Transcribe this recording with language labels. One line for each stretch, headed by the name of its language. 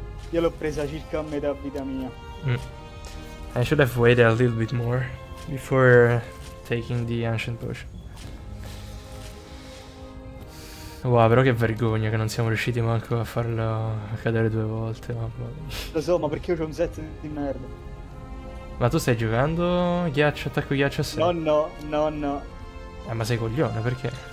Italian: Io l'ho presa circa a metà vita mia.
English: I should have waited a little bit more before taking the ancient potion.
Italian: Wow, però che vergogna che non siamo riusciti manco a farlo cadere due volte. Mamma mia. Lo so, ma perché io c'ho un set di merda. Ma tu stai giocando ghiaccio, attacco ghiaccio a sé? No, no, no, no. Ma sei coglione, perché?